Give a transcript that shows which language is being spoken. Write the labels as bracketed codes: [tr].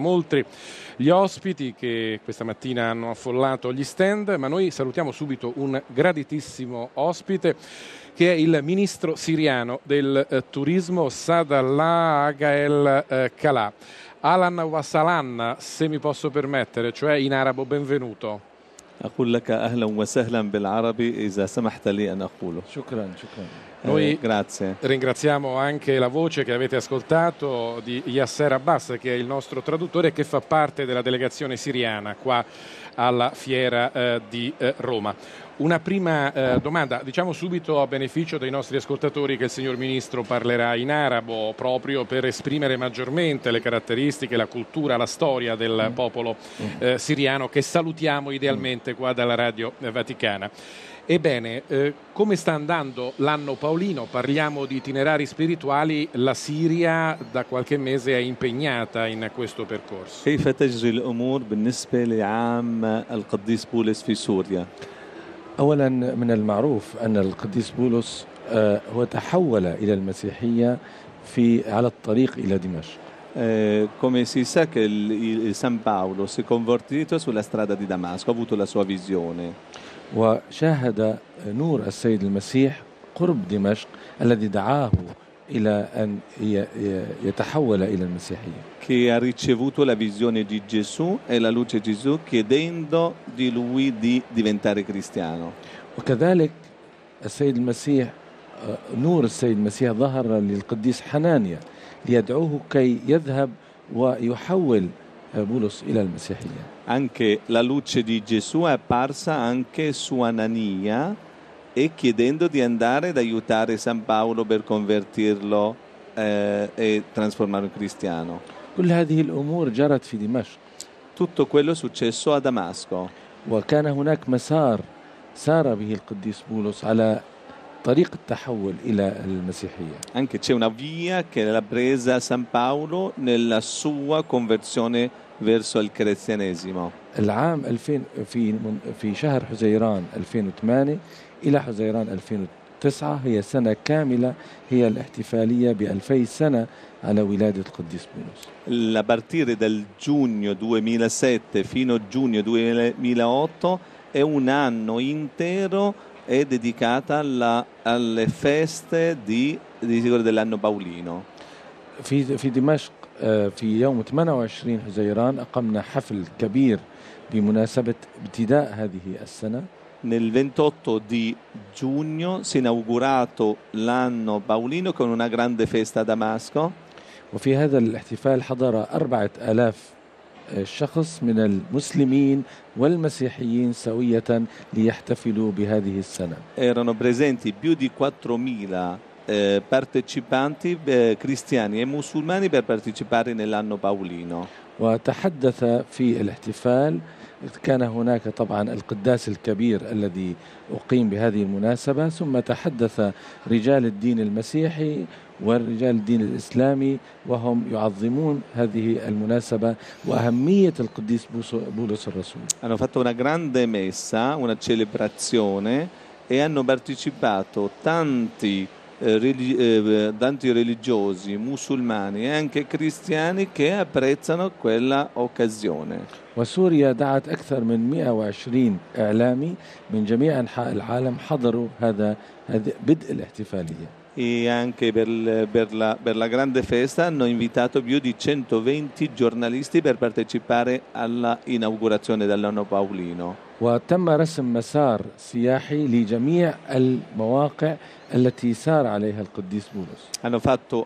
[it] Molti gli ospiti che questa mattina hanno affollato gli stand, ma noi salutiamo subito un graditissimo ospite che è il ministro siriano del turismo Sadallah Agael Kala. [ar] Alan Wasalan, [it] se mi posso permettere, cioè in arabo benvenuto. [ar] أقول لك أهلا وسهلا بالعربي إذا سمحت لي أن أقوله. شكرا شكرا. [it] Noi grazie. Ringraziamo anche la voce che avete ascoltato di Yasser Abbas, che è il nostro traduttore e che fa parte della delegazione siriana qua alla Fiera di Roma. Una prima domanda, diciamo subito a beneficio dei nostri ascoltatori che il signor Ministro parlerà in arabo proprio per esprimere maggiormente le caratteristiche, la cultura, la storia del popolo siriano che salutiamo idealmente qua dalla Radio Vaticana. Ebbene, come sta andando l'anno paolino? Parliamo di itinerari spirituali, la Siria da qualche mese è impegnata in questo percorso. [ar] كيف تجري الأمور بالنسبة لعام القديس بولس في سوريا؟ أولا من المعروف أن القديس بولس هو تحول إلى المسيحية في على الطريق إلى دمشق. [it] Come si sa che il San Paolo si è convertito sulla strada di Damasco, ha avuto la sua visione. [ar] وشاهد نور السيد المسيح قرب دمشق الذي دعاه إلى أن يتحول إلى المسيحية. [it] Che ha ricevuto la visione di Gesù e la luce di Gesù chiedendo di lui di diventare cristiano. [ar] وكذلك السيد المسيح نور السيد المسيح ظهر للقديس حنانيا ليدعوه كي يذهب ويحول بولس إلى المسيحية. [it] Anche la luce di Gesù è apparsa anche su Anania e chiedendo di andare ad aiutare San Paolo per convertirlo e trasformarlo in cristiano. [ar] كل هذه الأمور جرت في دمشق. [it] Tutto quello è successo a Damasco. [ar] وكان هناك مسار سار به القديس بولس على طريق التحول إلى المسيحية. [it] Anche c'è una via che l'ha presa San Paolo nella sua conversione verso il cristianesimo. [ar] العام 2000 في شهر حزيران 2008 إلى حزيران 2009 هي سنة كاملة هي الاحتفالية بألفي سنة على ولادة القديس بولس. [it] La partire dal giugno 2007 fino a giugno 2008 è un anno intero è dedicata alle feste di sicuro dell'anno paolino. [ar] في دمشق في يوم 28 حزيران أقمنا حفل كبير بمناسبة ابتداء هذه السنة. [it] Nel 28 di giugno si è inaugurato l'anno paolino con una grande festa a Damasco. [ar] وفي هذا الاحتفال حضر 4000 شخص من المسلمين والمسيحيين سوية ليحتفلوا بهذه السنة. [it] Erano presenti più di 4000 partecipanti cristiani e musulmani per partecipare nell'anno paolino. [ar] وتحدث في الاحتفال كان هناك طبعا القداس الكبير الذي أقيم بهذه المناسبة ثم تحدث رجال الدين المسيحي والرجال الدين الإسلامي وهم يعظمون هذه المناسبة وأهمية القديس بولس الرسول. [it] Hanno fatto una grande messa, una celebrazione e hanno partecipato tanti tanti religiosi musulmani e anche cristiani che apprezzano quella occasione. [ar] وسوريا دعت أكثر من 120 إعلامي من جميع أنحاء العالم حضروا هذا بدء الاحتفالية. [it] e anche per la grande festa hanno invitato più di 120 giornalisti per partecipare alla inaugurazione dell'anno paulino. [ar] وتم رسم مسار سياحي لجميع المواقع التي سار عليها القديس بولس.